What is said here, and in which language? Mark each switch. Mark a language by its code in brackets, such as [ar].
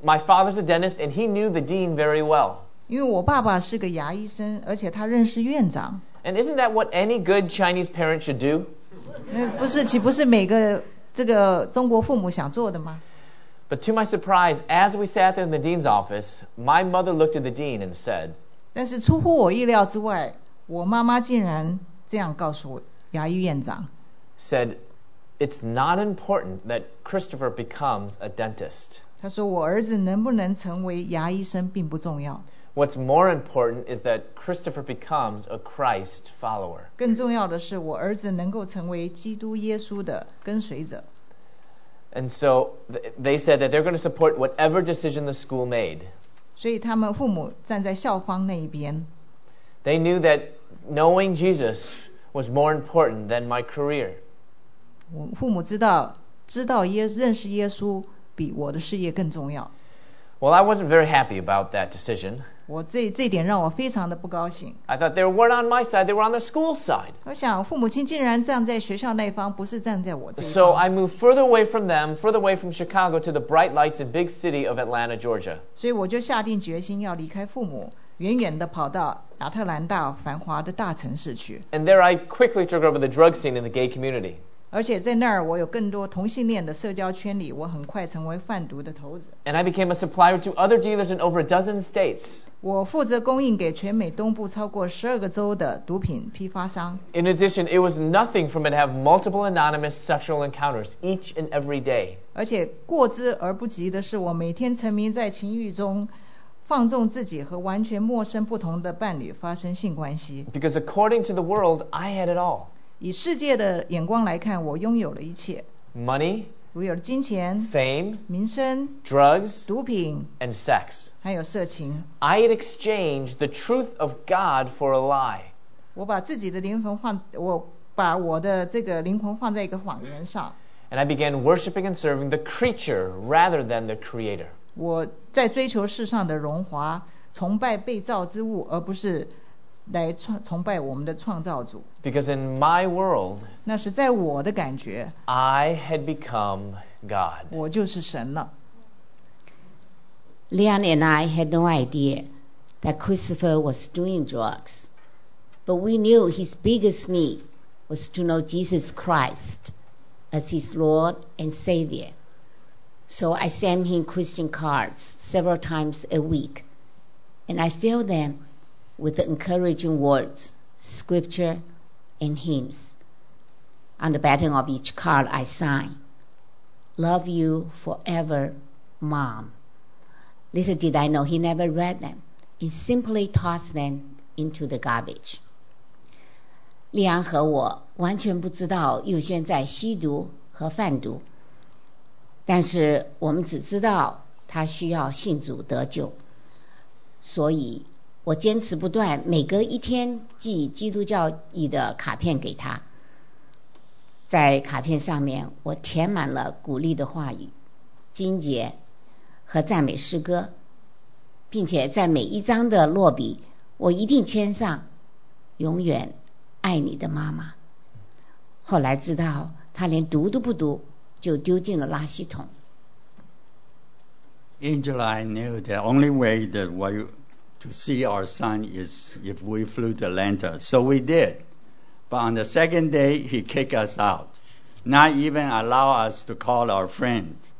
[en] My father's a dentist, and he knew the dean very well. [zh] 因为我爸爸是个牙医生，而且他认识院长。 [en] And isn't that what any good Chinese parent should do? [zh] 那不是，岂不是每个这个中国父母想做的吗？ [en] But to my surprise, as we sat there in the dean's office, my mother looked at the dean and said, [zh] 但是出乎我意料之外，我妈妈竟然这样告诉牙医院长。 [en] Said, it's not important that Christopher becomes a dentist. [zh] 她说我儿子能不能成为牙医生并不重要。 [en] What's more important is that Christopher becomes a Christ follower. [zh] 更重要的是我儿子能够成为基督耶稣的跟随者。 [en] And so they said that they're going to support whatever decision the school made. [zh] 所以他们父母站在校方那一边。 [en] They knew that knowing Jesus was more important than my career. [zh] 父母知道认识耶稣比我的事业更重要。 [en] Well, I wasn't very happy about that decision. [zh] 我这点让我非常的不高兴。 [en] I thought they weren't on my side, they were on the school's side. [zh] 我想父母亲竟然站在学校那一方，不是站在我这一方。 [en] So I moved further away from them, further away from Chicago to the bright lights and big city of Atlanta, Georgia. [zh] 所以我就下定决心要离开父母，远远地跑到亚特兰大繁华的大城市去。 [en] And there I quickly took over the drug scene in the gay community. [zh] 而且在那儿我有更多同性恋的社交圈里，我很快成为贩毒的头子。 [en] And I became a supplier to other dealers in over a dozen states. [zh] 我负责供应给全美东部超过12个州的毒品批发商。 [en] In addition, it was nothing for me to have multiple anonymous sexual encounters each and every day. [zh] 而且过之而不及的是，我每天沉迷在情欲中。放纵自己和完全陌生不同的伴侣发生性关系。 [en] Because according to the world, I had it all. [zh] 以世界的眼光来看，我拥有了一切。 [en] Money. [zh] 我有了金钱。 [en] Fame. [zh] 名声。 [en] Drugs. [zh] 毒品。 [en] And sex. [zh] 还有色情。 [en] I had exchanged the truth of God for a lie. [zh] 我把自己的灵魂换，我把我的这个灵魂换在一个谎言上。 [en] And I began worshiping and serving the creature rather than the creator. [zh] 我在追求世上的荣华，崇拜被造之物，而不是来崇拜我们的创造主。 [en] Because in my world, [zh] 那是在我的感觉。 [en] I had become God. [zh] 我就是神了。 [en] Leon and I had no idea that Christopher was doing drugs, but we knew his biggest need was to know Jesus Christ as his Lord and Savior. So I sent him Christian cards several times a week, and I filled them with the encouraging words, scripture, and hymns. On the bottom of each card, I signed, Love you forever, Mom. Little did I know he never read them. He simply tossed them into the garbage. [zh] 丽安和我完全不知道佑轩在吸毒和贩毒。但是我们只知道他需要信主得救，所以我坚持不断，每隔一天寄基督教义的卡片给他。在卡片上面，我填满了鼓励的话语、金节和赞美诗歌，并且在每一张的落笔，我一定签上“永远爱你的妈妈”。后来知道他连读都不读。就丢进了垃圾桶。 [en] Angel, I knew the only way that we to see our son is if we flew the lantern. So we did. But on the second day, he kicked us out, not even allow us to call our friend.